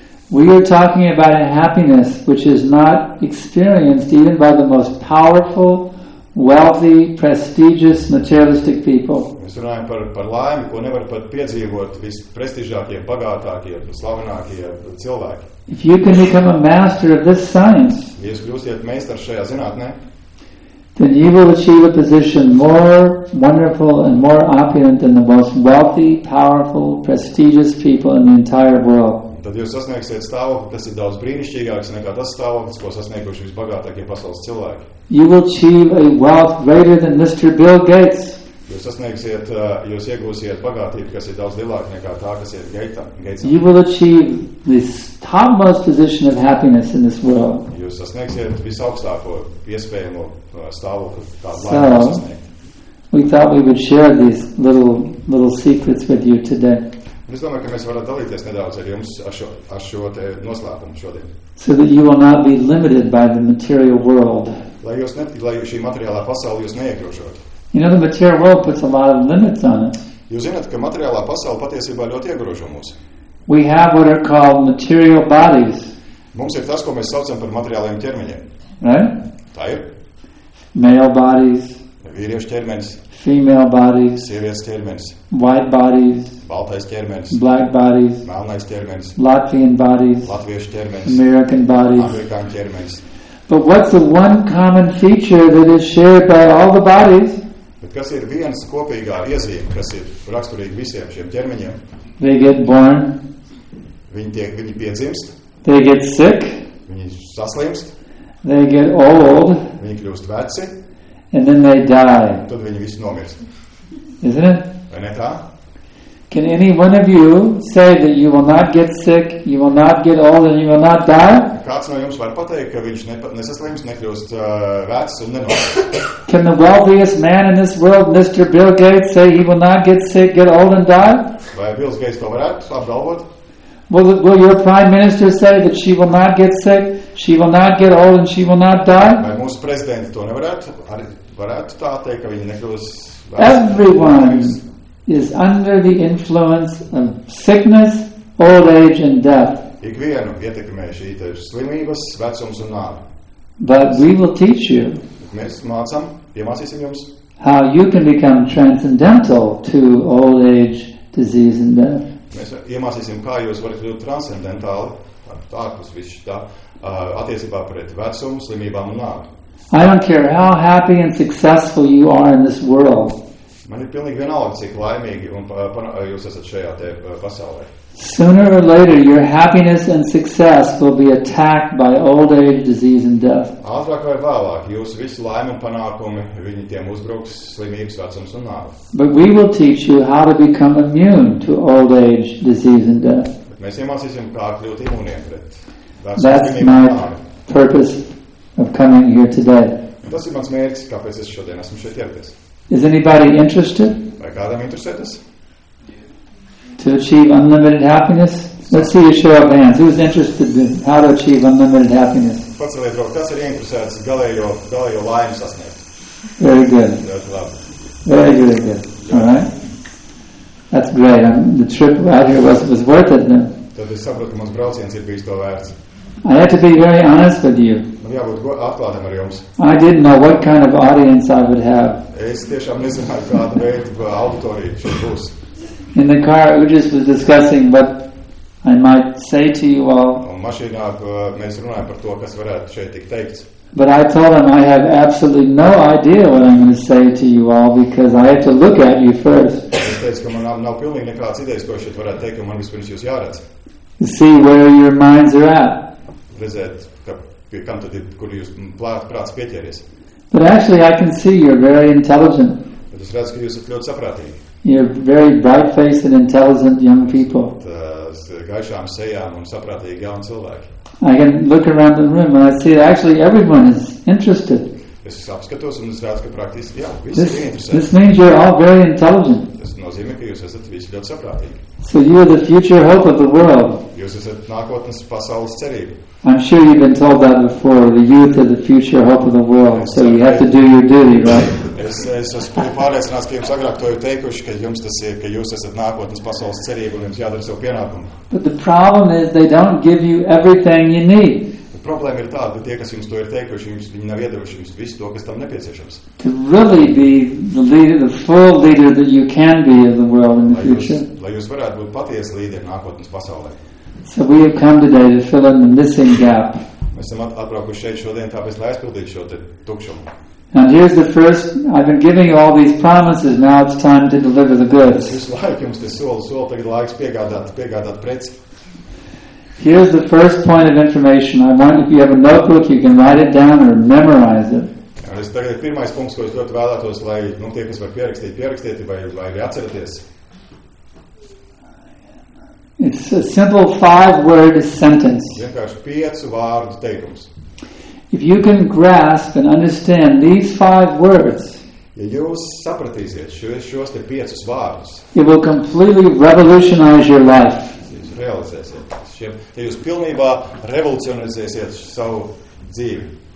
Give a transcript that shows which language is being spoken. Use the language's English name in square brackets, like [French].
[English] We are talking about a happiness which is not experienced even by the most powerful, wealthy, prestigious, materialistic people. [Latvian] Mēs runājam par laimi, ko nevar pat piedzīvot visprestižākie, bagātākie, slavenākie cilvēki. [English] If you can become a master of this science, [Latvian] ja jūs kļūstat meistars šajā zinātnē, [English] then you will achieve a position more wonderful and more opulent than the most wealthy, powerful, prestigious people in the entire world. [Latvian] Tad jūs sasniegsiet stāvokli, tas ir daudz brīnišķīgāks nekā tas stāvoklis, ko sasnieguši visbagātākie pasaules cilvēki. [English] You will achieve a wealth greater than Mr. Bill Gates. [Latvian] Jūs sasniegsiet, jūs iegūsiet bagātību, kas ir daudz lielāka nekā tā, kas ir Gatesam. [English] You will achieve the topmost position of happiness in this world. [Latvian] Jūs sasniegsiet visaugstāko iespējamo stāvokli, tādu laiku sasniegt. [English] We thought we would share these little secrets with you today. [Latvian] Es domāju, ka mēs varam dalīties nedaudz ar jums ar šo te noslēpumu šodien. [English] So that you will not be limited by the material world. [Latvian] Lai šī materiālā pasaule jūs neiegrožotu. [English] You know, the material world puts a lot of limits on it. [Latvian] Jūs zināt, ka materiālā pasaule patiesībā ļoti iegrožo mūs. [English] We have what are called material bodies. [Latvian] Mums ir tas, ko mēs saucam par materiālajiem ķermeņiem. [English] Right? [Latvian] Tā ir. [English] Male bodies. [Latvian] Vīriešu ķermenis. [English] Female bodies. [Latvian] Sievietes ķermenis. [English] White bodies. [Latvian] Baltais ķermenis. [English] Black bodies. [Latvian] Melnais ķermenis. [English] Latvian bodies. [Latvian] Latviešu ķermenis. [English] American bodies. [Latvian] Amerikāņu ķermenis. [English] But what's the one common feature that is shared by all the bodies? [Latvian] Bet kas ir viens kopīgā iezīme, kas ir raksturīga visiem šiem ķermeņiem? [English] They get born. [Latvian] Viņi piedzimst. [English] They get sick. [Latvian] Viņi saslimst. [English] They get old. [Latvian] Viņi kļūst veci. [English] And then they die. [Latvian] Tad viņi visi nomirst. [English] Isn't it? [Latvian] Vai ne tā? [English] Can any one of you say that you will not get sick, you will not get old, and you will not die? [Latvian] Kāds no jums var pateikt, ka viņš nesaslimst, nekļūst vecs un nenomirst? [English] Can the wealthiest man in this world, Mr. Bill Gates, say he will not get sick, get old, and die? [Latvian] Vai Bills Gates to varētu apgalvot? [English] Will your prime minister say that she will not get sick, she will not get old, and she will not die? [Latvian] Vai mūsu prezidenti to nevarētu? Arī varētu tā teikt, ka viņi nekļūst vecs? [English] Everyone is under the influence of sickness, old age, and death. [Latvian] Ikvienu ietekmē šī te slimības, vecums un nāve. [English] But we will teach you. [Latvian] Mēs mācam, iemācīsim jums. [English] How you can become transcendental to old age, disease, and death. [Latvian] Mēs iemācīsim, kā jūs varat kļūt transcendentāli, tāpēc viss tā, attiecībā pret vecumu, slimībām un nāvi. [English] I don't care how happy and successful you are in this world. [Latvian] Man ir pilnīgi vienalga, cik laimīgi jūs esat šajā te pasaulē. [English] Sooner or later, your happiness and success will be attacked by old age, disease, and death. [Latvian] Ātrāk vai vēlāk, jūs visu laimi un panākumi, viņi tiem uzbruks slimības, vecums un nāvi. [English] But we will teach you how to become immune to old age, disease, and death. [Latvian] Bet mēs iemācīsim, kā kļūt imūniem pret vecumu, slimību un nāvi. [English] That's my purpose of coming here today. [Latvian] Tas ir mans mērķis, kāpēc es šodien esmu šeit ierties. [English] Is anybody interested? [Latvian] Vai kādam interesētas? [English] To achieve unlimited happiness? Let's see a show of hands. Who's interested in how to achieve unlimited happiness? [Latvian] Paceliet roku, kas ir interesēts galējo laimi sasniegt? [English] Very good. Very good. Very good. All right. That's great. The trip out here was worth it then. [Latvian] Tad es saprotu, mans brauciens ir bijis to vērts. [English] I have to be very honest with you. [Latvian] Man jābūt atklātam ar jums. [English] I didn't know what kind of audience I would have. [Latvian] Es tiešām nezināju, kāda veida auditorija šeit būs. [English] In the car, we just was discussing what I might say to you all. [Latvian] Un mašīnā mēs runājam par to, kas varētu šeit tik teikts. [English] But I told him I have absolutely no idea what I'm going to say to you all because I have to look at you first. [Latvian] Es teicu, ka man nav pilnīgi nekādas idejas, ko šeit varētu teikt, un man vispirms jūs jāredz. [English] To see where your minds are at. [Latvian] Redzēt, ka pie kam tad ir, kur jūs prāts pieķēries. [English] But actually I can see you're very intelligent. [Latvian] Bet es redzu, ka jūs esat ļoti saprātīgi. [English] You're very bright-faced and intelligent young people. [Latvian] Tās gaišām sejām un saprātīgi jauni cilvēki. [English] I can look around the room and I see that actually everyone is interested. [Latvian] Es apskatos un es redzu, ka praktiski, jā, visi ir interesēti. [English] This means you're all very intelligent. [Latvian] Tas nozīmē, ka jūs esat visi ļoti saprātīgi. [English] So you are the future hope of the world. [Latvian] Jūs esat nākotnes pasaules cerība. [English] I'm sure you've been told that before, the youth are the future hope of the world, so you have to do your duty, right? [Latvian] Es esmu pārliecināts, ka jums agrāk to ir teikuši, ka jums tas ir, ka jūs esat nākotnes pasaules cerība un jums jādara savu pienākumu. [English] But the problem is they don't give you everything you need. [Latvian] Problēma ir tāda, ka tie, kas jums to ir teikuši, jums viņi nav iedevuši jums visu to, kas tam nepieciešams. [English] To really be the leader, the full leader that you can be of the world in the future. [Latvian] Lai jūs varētu būt patiesi līderi nākotnes pasaulē. [English] So we have come today to fill in the missing gap. [Latvian] Mēs esam atbraukuši šeit šodien, tāpēc lai aizpildītu šo te tukšumu. [English] And here's the first, I've been giving you all these promises, now it's time to deliver the goods. [Latvian] Visu laiku jums te soli, tagad laiks piegādāt preci. [English] Here's the first point of information. I want, if you have a notebook, you can write it down or memorize it. [Latvian] Es tagad pirmais punkts, ko es ļoti vēlētos, lai nu, tie, kas var pierakstīt vai atcerieties. [English] It's a simple five-word sentence. [Latvian] Vienkārši piecu vārdu teikums. [English] If you can grasp and understand these five words, [Latvian] ja jūs sapratīsiet šos te piecus vārdus, [English] it will completely revolutionize your life. [Latvian] Jūs realizēsiet. Ja jūs pilnībā revolucionizēsiet savu dzīvi.